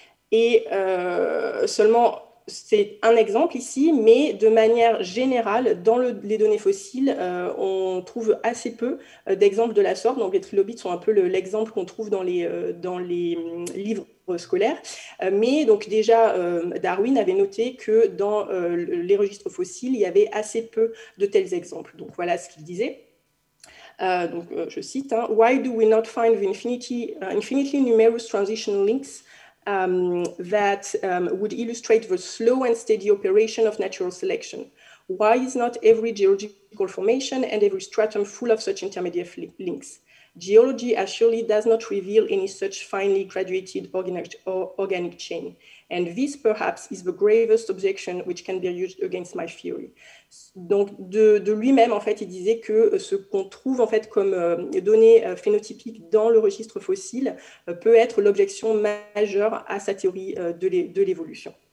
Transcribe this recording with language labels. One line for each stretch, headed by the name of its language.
French: Et seulement, c'est un exemple ici, mais de manière générale, dans les données fossiles, on trouve assez peu d'exemples de la sorte. Donc, les trilobites sont un peu l'exemple qu'on trouve dans les livres scolaires. Mais donc déjà, Darwin avait noté que dans les registres fossiles, il y avait assez peu de tels exemples. Donc, voilà ce qu'il disait. Je cite, hein,
English: « Why do we not find infinitely numerous transition links that would illustrate the slow and steady operation of natural selection? Why is not every geological formation and every stratum full of such intermediate links? Geology assuredly does not reveal any such finely graduated organic chain. And this, perhaps, is the gravest objection which can be used against my theory.
French: » Donc, de lui-même, en fait, il disait que ce qu'on trouve en fait, comme données phénotypiques dans le registre fossile peut être l'objection majeure à sa théorie de l'évolution.